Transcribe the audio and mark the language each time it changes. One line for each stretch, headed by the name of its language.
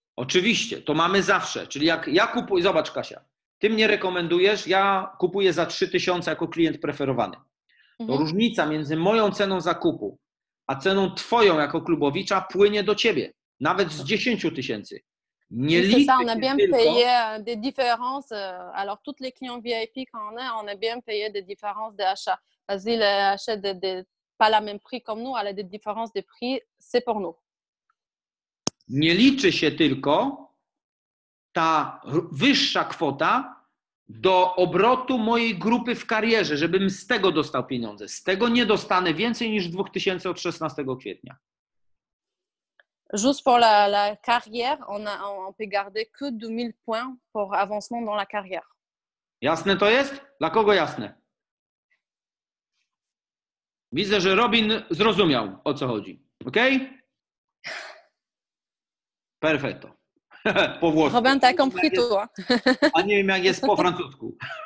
Polish: Oczywiście, to mamy zawsze. Czyli jak ja kupuję, zobacz Kasia, ty mnie rekomendujesz, ja kupuję za 3000 jako klient preferowany. To różnica między moją ceną zakupu, a ceną twoją jako klubowicza płynie do ciebie, nawet z 10000.
French: C'est ça, on a bien payé des différences. Alors, tous les clients VIP qu'on a, on a bien payé des différences d'achat. Parce qu'ils achètent pas la même prix comme nous, mais des différences de prix, c'est pour nous.
Polish: Nie liczy się tylko ta wyższa kwota do obrotu mojej grupy w karierze, żebym z tego dostał pieniądze. Z tego nie dostanę więcej niż 2000 od 16 kwietnia.
French: Juste pour la carrière, on peut garder que 2000 points pour avancement dans la carrière.
Polish: Jasne to jest? Dla kogo jasne? Widzę, że Robin zrozumiał, o co chodzi. OK?
Italian: Perfetto.
Polish: Po włosku.
French: Robin, t'as compris tout.
Polish: A nie wiem, jak jest po francusku.